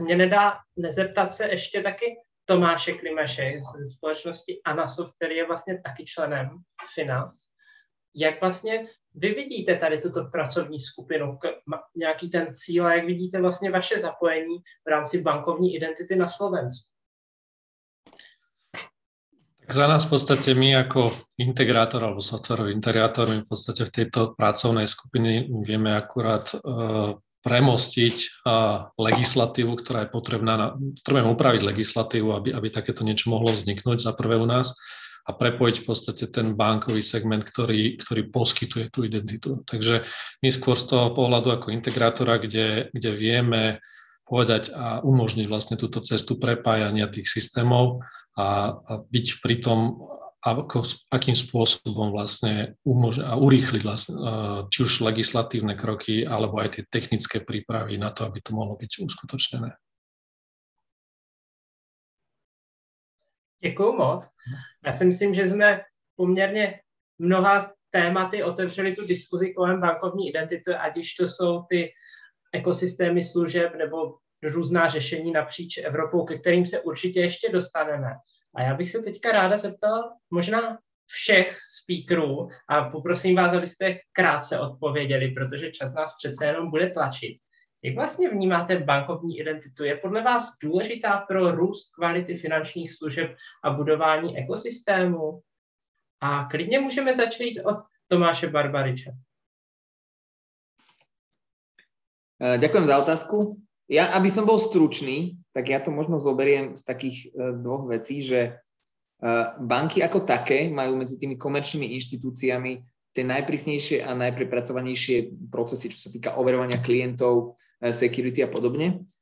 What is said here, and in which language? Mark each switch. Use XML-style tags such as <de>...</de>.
<cs>Mě nedá nezeptat se ještě taky Tomáše Klimeše ze společnosti Anasoft, který je vlastně taky členem Finas. Jak vlastně vy vidíte tady tuto pracovní skupinu, nějaký ten cíl a jak vidíte vlastně vaše zapojení v rámci bankovní identity na Slovensku?</cs> <sk>Tak za nás v podstatě my jako integrátor alebo softwarový integrátor my v podstatě v této pracovné skupině vieme akurát premostiť legislatívu, ktorá je potrebná, potrebujeme upraviť legislatívu, aby takéto niečo mohlo vzniknúť za prvé u nás a prepojiť v podstate ten bankový segment, ktorý poskytuje tú identitu. Takže my skôr z toho pohľadu ako integrátora, kde vieme povedať a umožniť vlastne túto cestu prepájania tých systémov a byť pri tom, akým spôsobom vlastne urýchliť vlastne, či už legislatívne kroky, alebo aj tie technické prípravy na to, aby to mohlo byť uskutočnené. Ďakujem moc.</sk> <cs>Ja si myslím, že sme pomerne mnoha tématy otevřeli tú diskuzi kolem bankovní identity, ať už to sú ty ekosystémy služeb nebo různá řešení napříč Evropou, ke kterým se určitě ještě dostaneme. A já bych se teďka ráda zeptala možná všech speakerů a poprosím vás, abyste krátce odpověděli, protože čas nás přece jenom bude tlačit. Jak vlastně vnímáte bankovní identitu? Je podle vás důležitá pro růst kvality finančních služeb a budování ekosystému? A klidně můžeme začít od Tomáše Barbariče.</cs> <sk>Ďakujem za otázku. Ja, aby som bol stručný, tak ja to možno zoberiem z takých dvoch vecí, že banky ako také majú medzi tými komerčnými inštitúciami tie najprísnejšie a najprepracovanejšie procesy, čo sa týka overovania klientov, security a podobne.</sk>